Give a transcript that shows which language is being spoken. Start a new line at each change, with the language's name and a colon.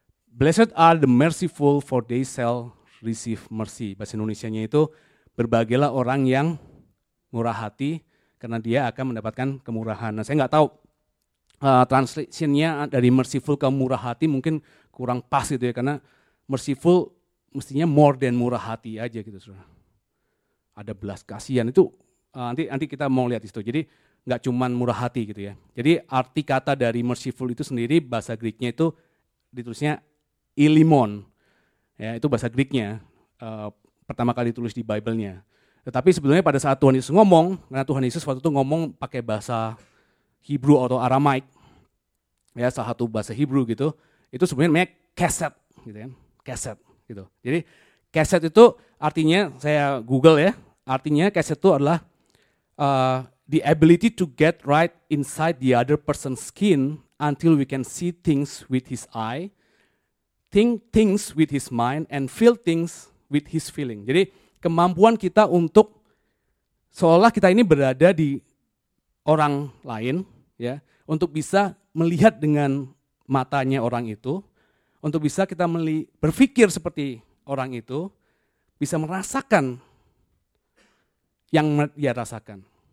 English: Blessed are the merciful for they shall receive mercy.
Indonesian: Bahasa Indonesianya itu berbahagialah orang yang murah hati karena dia akan mendapatkan kemurahan. Nah, saya nggak tahu. Translation-nya dari merciful ke murah hati mungkin kurang pas gitu ya, karena merciful mestinya
English: more than
Indonesian: murah hati aja gitu, saudara. Ada belas kasihan itu, nanti kita mau lihat itu. Jadi enggak cuman murah hati gitu ya. Jadi arti kata dari merciful itu sendiri bahasa Greek-nya itu ditulisnya ilimon. Ya, itu bahasa Greek-nya pertama kali ditulis di Bible-nya. Tetapi sebetulnya pada saat Tuhan Yesus ngomong, karena Tuhan Yesus waktu itu ngomong pakai bahasa Hebrew atau Aramaik, ya salah satu bahasa Hebrew gitu, itu sebenarnya namanya keset, gitu kan, keset, gitu. Jadi keset itu artinya, saya Google ya, artinya keset itu adalah
English: the ability to get right inside the other person's skin until we can see things with his eye, think things with his mind, and feel things with his feeling.
Indonesian: Jadi kemampuan kita untuk seolah kita ini berada di orang lain, ya, untuk bisa melihat dengan matanya orang itu, untuk bisa kita berpikir seperti orang itu, bisa merasakan yang dia rasakan.